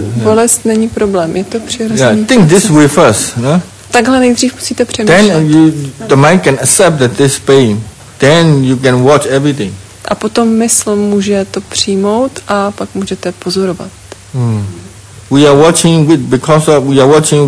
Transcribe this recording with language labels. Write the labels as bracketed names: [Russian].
[Czech] Bolest není problém, je to přirozený. [English] Yeah, think this way first, no? [Czech] Takhle nejdřív musíte přemýšlet. [English] Then you, the mind can accept that this pain. Then you can watch everything. [Czech] A potom mysl může to přijmout a pak můžete pozorovat. Hmm. [English] We are watching with because of, we are watching.